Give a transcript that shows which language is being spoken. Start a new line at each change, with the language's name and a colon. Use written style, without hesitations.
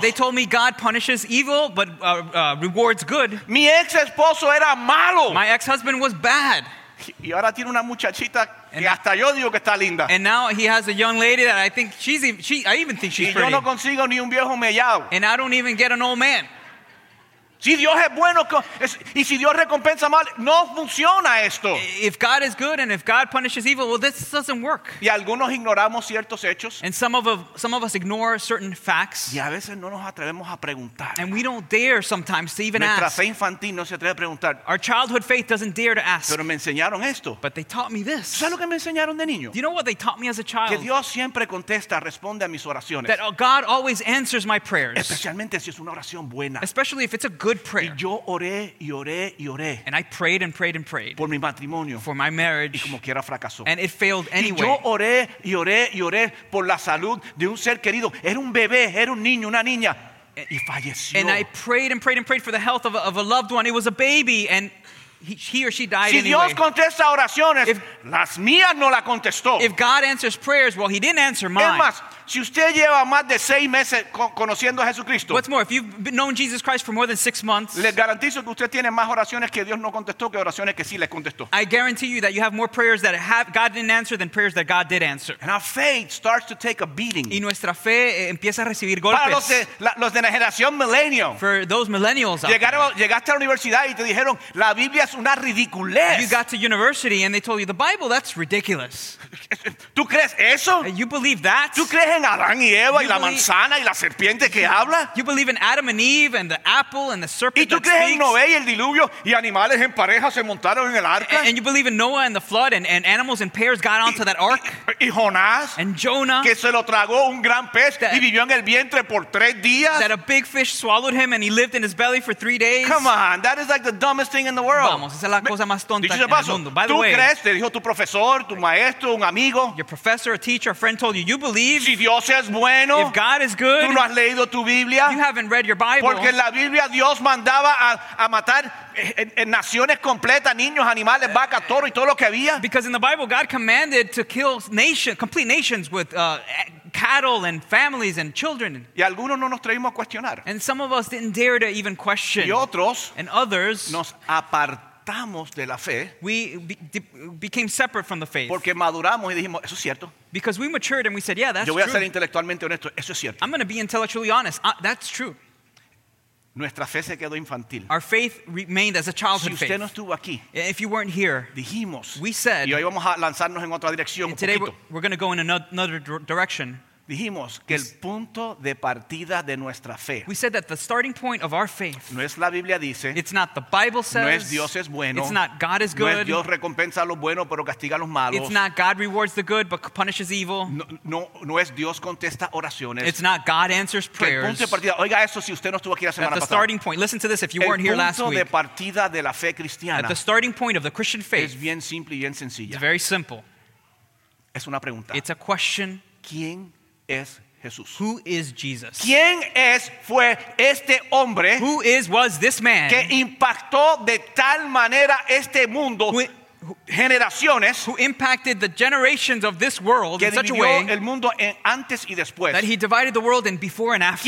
English: They told me God punishes evil, but rewards good.
Spanish: Mi ex esposo era malo.
English: My ex-husband was bad.
Spanish: Y ahora tiene una muchachita que hasta yo digo que está linda.
English: And now he has a young lady that I think I even think she's pretty.
Spanish: Y yo no consigo ni un viejo mellao.
English: And I don't even get an old man.
Spanish: Si Dios es bueno y si Dios recompensa mal, no funciona esto.
English: If God is good and if God punishes evil, well, this doesn't work.
Spanish: Y algunos ignoramos ciertos hechos.
English: And some of us ignore certain facts.
Spanish: Y a veces no nos atrevemos a preguntar.
English: And we don't dare sometimes to even
Spanish: Nuestra
English: ask.
Spanish: Nuestra fe infantil no se atreve a preguntar.
English: Our childhood faith doesn't dare to ask.
Spanish: Pero me enseñaron esto.
English: But they taught me this.
Spanish: ¿Sabes lo que me enseñaron de niño?
English: Do you know what they taught me as a child?
Spanish: Que Dios siempre contesta, responde a mis oraciones.
English: That God always answers my prayers.
Spanish: Especialmente si es una oración buena.
English: Especially if it's a good prayer.
Spanish: Y yo oré y oré y oré.
English: And I prayed and prayed and prayed.
Spanish: Por mi matrimonio.
English: For my marriage.
Spanish: Y como quiera fracasó.
English: And it failed anyway.
Spanish: Y yo oré y oré y oré por la salud de un ser querido. Era un bebé, era un niño, una niña. Y falleció.
English: And I prayed and prayed and prayed for the health of a loved one. It was a baby and he or she died
Spanish: si
English: anyway.
Spanish: Si Dios contesta oraciones, las mías no la contestó.
English: If God answers prayers, well, he didn't answer mine.
Spanish: Es más, si usted lleva más de 6 meses conociendo a Jesucristo.
English: What's more, if you've known Jesus Christ for more than 6 months.
Spanish: Le garantizo que usted tiene más oraciones que Dios no contestó que oraciones que sí le contestó.
English: I guarantee you that you have more prayers that God didn't answer than prayers that God did answer. And our faith starts to take a beating.
Spanish: Y nuestra fe empieza a recibir golpes. Para los de la generación millennial.
English: For those millennials out
Spanish: llegaron,
English: there.
Spanish: Llegaste a la universidad y te dijeron, la Biblia es una ridiculez.
English: You got to university and they told you, the Bible, that's ridiculous.
Spanish: ¿Tú crees eso?
English: You believe that?
Spanish: ¿Tú crees en Adán y Eva y la manzana y la serpiente que habla?
English: You believe in Adam and Eve and the apple and the serpent that speaks?
Spanish: ¿Y tú crees en Noé y el diluvio y animales en pareja se montaron en el arca?
English: And you believe in Noah and the flood and animals in pairs got onto that ark?
Spanish: ¿Y Jonás?
English: And Jonah?
Spanish: Que se lo tragó un gran pez y vivió en el vientre por 3 días?
English: That a big fish swallowed him and he lived in his belly for 3 days? Come on, that is like the dumbest thing in the world.
Spanish: Vamos, esa es la cosa más tonta del mundo.
English: By the
Spanish: ¿tú
English: way,
Spanish: crees? Te dijo tu profesor, tu maestro, un amigo.
English: Your professor, a teacher, a friend told you, you believe?
Spanish: Si Dios es bueno.
English: If God is good.
Spanish: Tú no has leído tu Biblia.
English: You haven't read your Bible.
Spanish: Porque en la Biblia Dios mandaba a matar en naciones completas, niños, animales, vacas, toro y todo lo que había.
English: Because in the Bible God commanded to kill nations, complete nations with cattle and families and children.
Spanish: Y algunos no nos atrevimos a cuestionar.
English: And some of us didn't dare to even question.
Spanish: Y otros
English: and others
Spanish: nos apartamos. apartamos de la fe.
English: We became separate from the faith.
Spanish: Porque maduramos y dijimos, eso es cierto.
English: Because we matured and we said, yeah, that's true.
Spanish: Yo voy a ser intelectualmente honesto, eso es cierto.
English: I'm going to be intellectually honest. That's true.
Spanish: Nuestra fe se quedó infantil.
English: Our faith remained as a childhood faith.
Spanish: Si usted no estuvo aquí,
English: if you weren't here,
Spanish: dijimos,
English: we said,
Spanish: y hoy vamos a lanzarnos en otra dirección un poquito.
English: And today we're going to go in another direction.
Spanish: Dijimos que el punto de partida de nuestra fe,
English: we said that the starting point of our faith,
Spanish: no es la Biblia dice,
English: it's not the Bible says,
Spanish: no es Dios es bueno,
English: it's not God is good,
Spanish: no es Dios recompensa a los buenos pero castiga a los malos,
English: it's not God rewards the good but punishes evil,
Spanish: no es Dios contesta oraciones,
English: it's not God answers prayers.
Spanish: El punto de partida, oiga eso si usted no estuvo aquí la semana pasada,
English: the starting point, listen to this if you weren't here last week,
Spanish: el punto de partida de la fe cristiana,
English: the starting point of the Christian faith,
Spanish: es bien simple y bien sencilla,
English: it's very simple,
Spanish: es una pregunta,
English: it's a question,
Spanish: ¿quién es Jesús?
English: Who is Jesus?
Spanish: ¿Quién es fue este hombre?
English: Who is was this man?
Spanish: Que impactó de tal manera este mundo, generaciones,
English: who impacted the generations of this world in such a way,
Spanish: el mundo en antes y después,
English: that he divided the world in before and after.